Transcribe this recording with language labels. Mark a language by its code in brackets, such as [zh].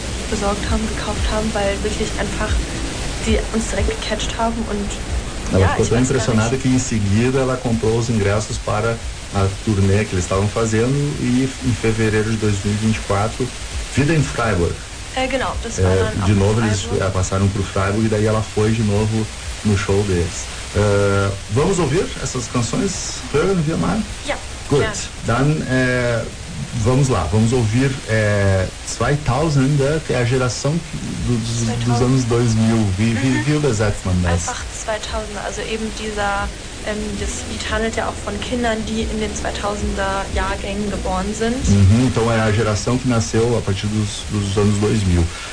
[de] besorgt haben, gekauft haben, weil wirklich einfach sie uns direkt gecatcht haben und [pt] ela ficou tão impressionada que em seguida ela comprou os ingressos para a turnê que eles estavam fazendo e em fevereiro de 2024, Vida em Freiburg. [de] Genau, das war dann [pt] de novo eles passaram para o Freiburg e daí ela foi de novo no show deles. Vamos ouvir essas canções, [de] Hören wir mal? Yeah. [en] Good. Yeah. [pt] Dann, vamos lá, vamos ouvir 2000, que é a geração dos anos 2000. [de] Wie übersetzt man das? Einfach 2000, also eben dieser, das Lied handelt ja auch von Kindern, die in den 2000er Jahrgängen geboren sind. [pt] Uhum, então é a geração que nasceu a partir dos anos 2000.